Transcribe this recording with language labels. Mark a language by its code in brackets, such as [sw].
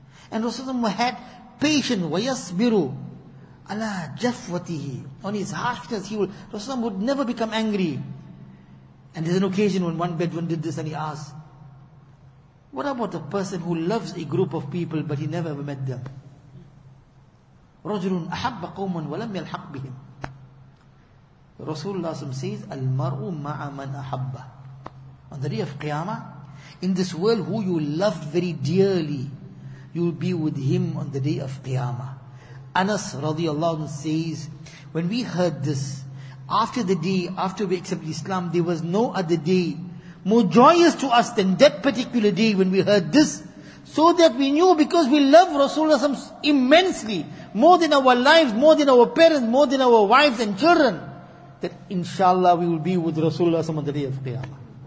[en] And Rasulullah had patience, [ar] وَيَصْبِرُ عَلَىٰ جَفْوَتِهِ. [en] On his harshness, Rasulullah would never become angry. And there's an occasion when one Bedouin did this and he asked, what about a person who loves a group of people but he never ever met them? [ar] رَجُلٌ أَحَبَّ قَوْمًا وَلَمْ يَلْحَقْ بِهِمْ. [en] Rasulullah says, [ar] الْمَرْءُ مَعَ مَنْ أَحَبَّ. [en] On the day of Qiyamah, in this world, who you love very dearly, you will be with him on the day of Qiyamah. Anas radiallahu anhu says, when we heard this, after we accepted Islam, there was no other day more joyous to us than that particular day when we heard this, so that we knew, because we love Rasulullah immensely, more than our lives, more than our parents, more than our wives and children, that inshallah we will be with Rasulullah on the day of Qiyamah.